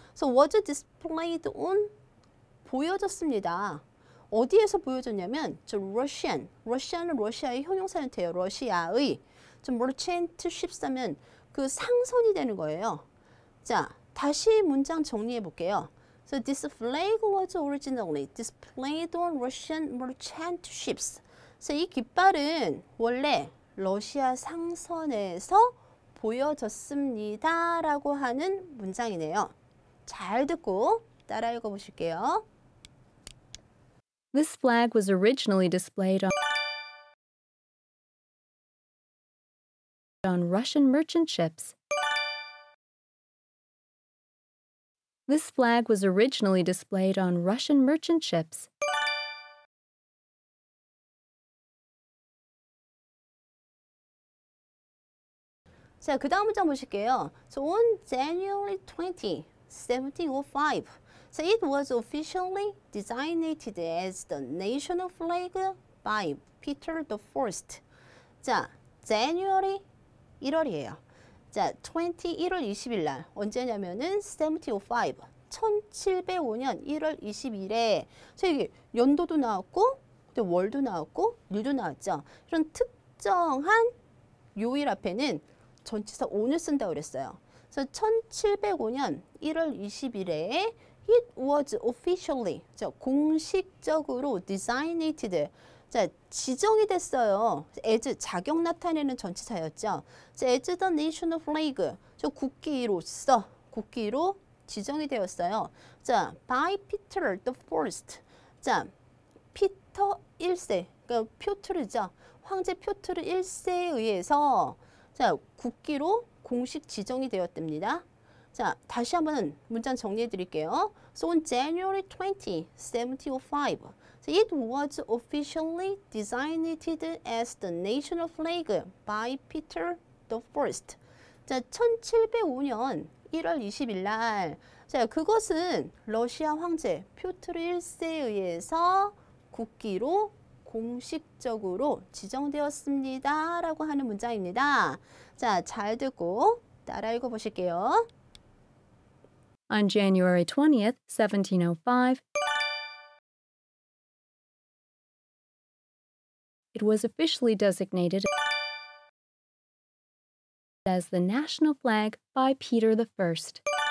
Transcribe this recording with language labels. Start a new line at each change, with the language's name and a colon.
English: So was displayed on
Korean: 보여졌습니다. 어디에서 보여줬냐면 저 러시안, 러시아는 러시아의 형용사는 돼요. 러시아의 저 merchant ships 하면 그 상선이 되는 거예요. 자, 다시 문장 정리해 볼게요.
English: So this flag was originally displayed on Russian merchant ships.
Korean: 그래서 이 깃발은 원래 러시아 상선에서 보여졌습니다. 라고 하는 문장이네요. 잘 듣고 따라 읽어 보실게요.
English: This flag was originally displayed on Russian merchant ships. This flag was originally displayed on Russian merchant ships.
Korean: 자, 그 다음 문장 보실게요.
English: So on January 20, 1705. So it was officially designated as the national flag by Peter the First.
Korean: 자, January 1월이에요. 자, 1월 20일 날 언제냐면은 1705, 1705년 1월 20일에 자, 이게 연도도 나왔고 또 월도 나왔고 일도 나왔죠. 이런 특정한 요일 앞에는 전치사 오늘 쓴다고 그랬어요. 그래서 1705년 1월 20일에
English: It was officially,
Korean: 자, 공식적으로 designated, 자, 지정이 됐어요. As, 자격 나타내는 전치사였죠. 자,
English: as the national flag,
Korean: 저 국기로서, 국기로 지정이 되었어요. 자,
English: by Peter the First,
Korean: 자, 피터 1세, 그러니까 표트르죠. 황제 표트르 1세에 의해서 자, 국기로 공식 지정이 되었답니다. 자, 다시 한번 문장 정리해 드릴게요.
English: So on January 20, 1705, so it was officially designated as the national flag by Peter the First.
Korean: 자, 1705년 1월 20일 날, 자, 그것은 러시아 황제 표트르 1세에 의해서 국기로 공식적으로 지정되었습니다. 라고 하는 문장입니다. 자, 잘 듣고 따라 읽어 보실게요.
English: On January 20th, 1705, it was officially designated as the national flag by Peter the First.